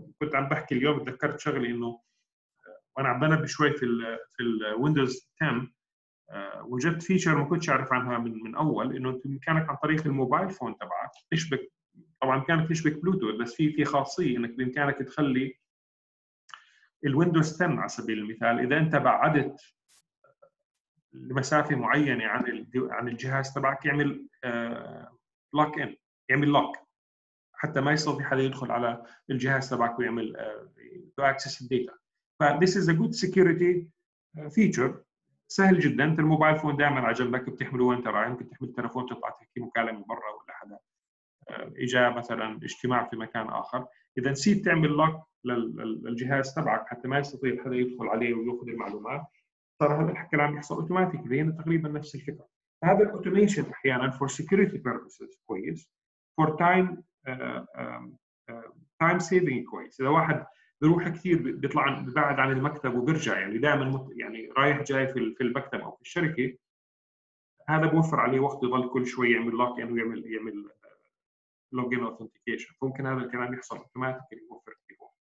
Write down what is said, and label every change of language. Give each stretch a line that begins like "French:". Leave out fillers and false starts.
Arabic: كنت عم بحكي اليوم تذكرت شغله انه وانا عم بنبي شوي في الويندوز 10 وجدت فيتشر ما كنتش اعرف عنها من اول، انه بامكانك عن طريق الموبايل فون تبعك تشبك، طبعا بامكانك تشبك بلوتوث بس في خاصيه انك بامكانك تخلي الويندوز 10 على سبيل المثال اذا انت بعدت لمسافه معينه عن الجهاز تبعك يعمل لوك ان، يعمل لوك حتى ما يستطيع حدا يدخل على الجهاز تبعك ويعمل تو اكسس الداتا.
English: ف this is a good security feature،
Arabic: سهل جدا. انت الموبايل فون دائما على جنبك بتحمله وانت رايح، ممكن تحمل التليفون تطلع تحكي مكالمه برا ولا حدا اجى مثلا اجتماع في مكان اخر. إذا نسيت تعمل لوك للجهاز تبعك حتى ما يستطيع حدا يدخل عليه ويأخذ المعلومات، صار هذا الكلام يحصل أوتوماتيك. لأن تقريبا نفس الفكرة. هذا الأوتوميشن أحيانا
English: for security purposes
Arabic: كويس،
English: for time time saving
Arabic: كويس. إذا واحد بروح كثير بيطلع بعد عن المكتب وبرجع، يعني دائما يعني رايح جاي في المكتب أو في الشركة، هذا بوفر عليه وقت يضل كل شوي يعمل لوك إن ويعمل يعمل لوجين أوثنتيكيشن. ممكن هذا الكلام يحصل أوتوماتيكلي يوفر فيه.